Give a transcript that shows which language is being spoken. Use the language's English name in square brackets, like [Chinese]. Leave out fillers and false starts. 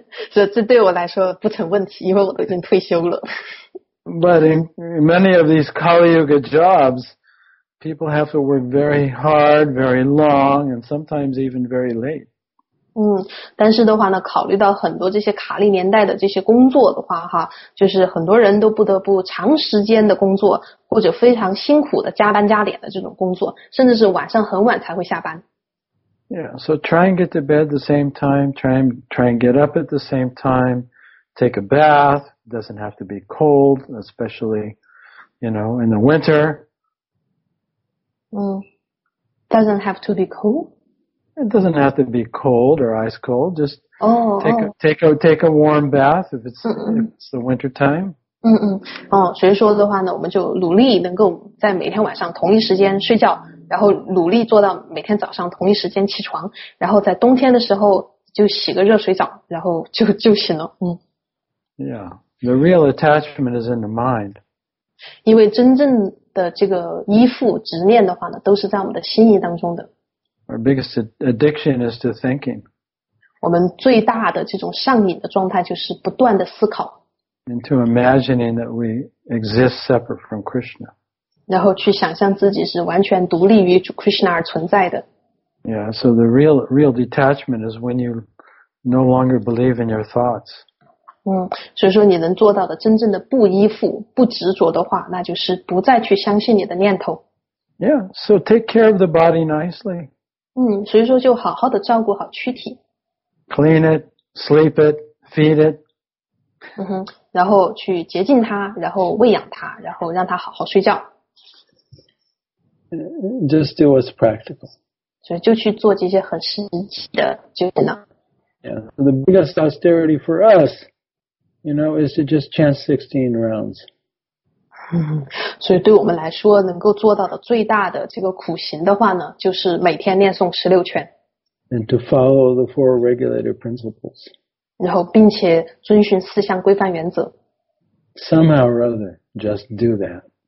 [Chinese] 所以这对我来说不成问题，因为我都已经退休了。 [English] But in many of these Kali Yuga jobs, people have to work very hard, very long, and sometimes even very late. [Chinese] 但是的话呢，考虑到很多这些卡利年代的这些工作的话哈，就是很多人都不得不长时间的工作，或者非常辛苦的加班加点的这种工作，甚至是晚上很晚才会下班。 [English] Yeah, so try and get to bed the same time, try and get up at the same time, take a bath, doesn't have to be cold, especially, you know, in the winter. Doesn't have to be cold? It doesn't have to be cold or ice cold, just take a warm bath if it's the winter time. [Chinese] 所以说的话呢，我们就努力能够在每天晚上同一时间睡觉，然后努力做到每天早上同一时间起床，然后在冬天的时候就洗个热水澡，然后就行了。 [English] Yeah, the real attachment is in the mind. [Chinese] 因为真正的这个依附执念的话呢，都是在我们的心意当中的。 [English] Our biggest addiction is to thinking. [Chinese] 我们最大的这种上瘾的状态就是不断的思考。 [English] Into imagining that we exist separate from Krishna. [Chinese] 然后去想象自己是完全独立于 Krishna 而存在的。 [English] Yeah, so the real detachment is when you no longer believe in your thoughts. [Chinese] 所以说你能做到的真正的不依附、不执着的话，那就是不再去相信你的念头。 [English] Yeah, so take care of the body nicely. [Chinese] 所以说就好好的照顾好躯体。 [English] Clean it, sleep it, feed it. [Chinese] 然后去洁净它，然后喂养它，然后让它好好睡觉。 [English] Just do what's practical. [Chinese] 所以就去做这些很实际的就行了。 [English] Yeah, so the biggest austerity for us, you know, is to just chant 16 rounds. [Chinese] 所以对我们来说，能够做到的最大的这个苦行的话呢，就是每天念诵16圈。 [English] And to follow the 4 regulative principles. [Chinese] 然后并且遵循4项规范原则。 [English] Somehow or other, just do that.